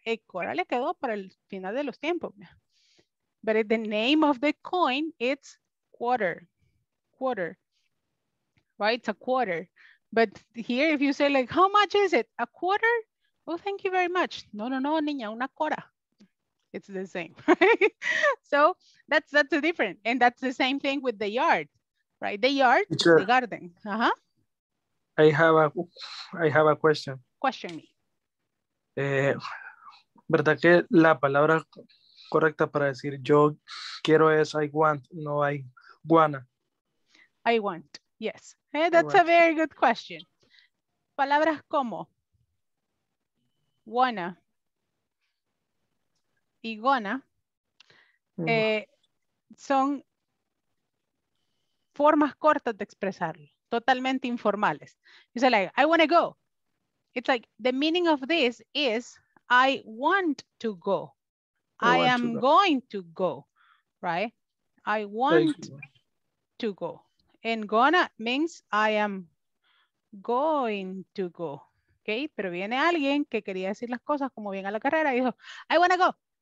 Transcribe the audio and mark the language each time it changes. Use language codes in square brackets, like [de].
[es] El cora le quedó para el final de los tiempos. [en] But the name of the coin, it's quarter. Quarter. Right? It's a quarter. But here, if you say like, how much is it? A quarter? Well, thank you very much. [es] No, no, no, niña, una cora. [en] It's the same. Right? So that's a different. And that's the same thing with the yard, right? The yard, sure. The garden. Uh-huh. I have a question. Question me. [es] ¿Verdad que la palabra correcta para decir yo quiero es [en] I want, [es] no [en] I wanna? I want, yes. That's a very good question. [es] Palabras como wanna y gonna son formas cortas de expresarlo, totalmente informales. [en] You say like, I wanna go. It's like, the meaning of this is I want to go. I am going to go, right? I want to go. And gonna means I am going to go. [es] Okay, pero viene alguien que quería decir las cosas como bien a la carrera y dijo, [en] I wanna go.